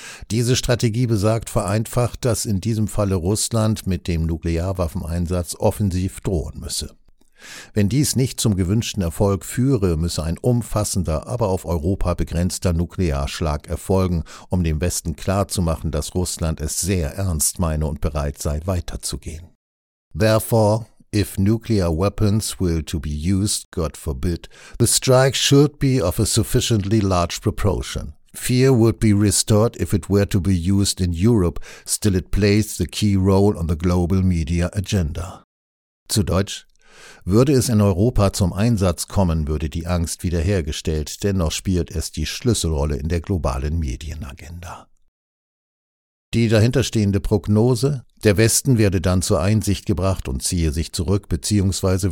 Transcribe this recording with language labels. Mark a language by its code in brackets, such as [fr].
[de] Diese Strategie besagt vereinfacht, dass in diesem Falle Russland mit dem Nuklearwaffeneinsatz offensiv drohen müsse. Wenn dies nicht zum gewünschten Erfolg führe, müsse ein umfassender, aber auf Europa begrenzter Nuklearschlag erfolgen, um dem Westen klarzumachen, dass Russland es sehr ernst meine und bereit sei, weiterzugehen. [en] Therefore, if nuclear weapons will to be used, God forbid, the strike should be of a sufficiently large proportion. Fear would be restored if it were to be used in Europe, still it plays the key role on the global media agenda. [de] Zu Deutsch, würde es in Europa zum Einsatz kommen, würde die Angst wiederhergestellt, dennoch spielt es die Schlüsselrolle in der globalen Medienagenda. Die dahinterstehende Prognose, der Westen werde dann zur Einsicht gebracht und ziehe sich zurück bzw.